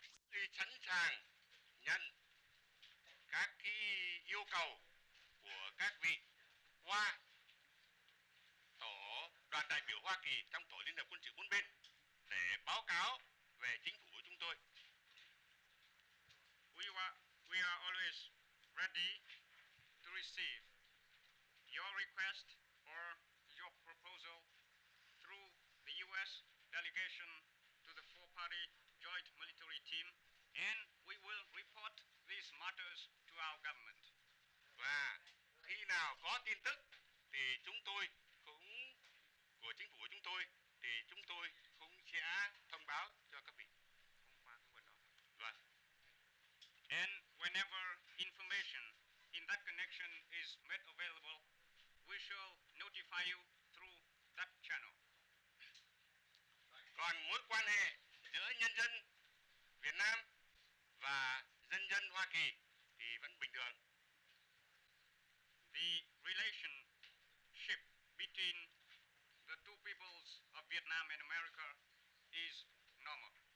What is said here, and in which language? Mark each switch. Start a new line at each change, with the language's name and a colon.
Vietnamese: Tôi sẵn sàng nhận các cái yêu cầu của các vị Hoa tổ đoàn đại biểu Hoa Kỳ trong tổ liên hợp quân sự bốn bên để báo cáo về chính phủ của chúng tôi.
English: We are always ready to receive your request or your proposal through the U.S. delegation to the four-party joint military team, and we will report these matters to our government.
Vietnamese: Và khi nào có tin tức thì chúng tôi cũng của chính phủ của chúng tôi thì chúng tôi cũng sẽ thông báo cho các vị. Không qua cái vấn đó. Vâng.
English: And whenever information in that connection is made available, we shall notify you through that channel.
Vietnamese: Còn mối quan hệ giữa nhân dân Việt Nam và dân dân Hoa Kỳ thì vẫn bình thường.
English: The relationship between the two peoples of Vietnam and America is normal.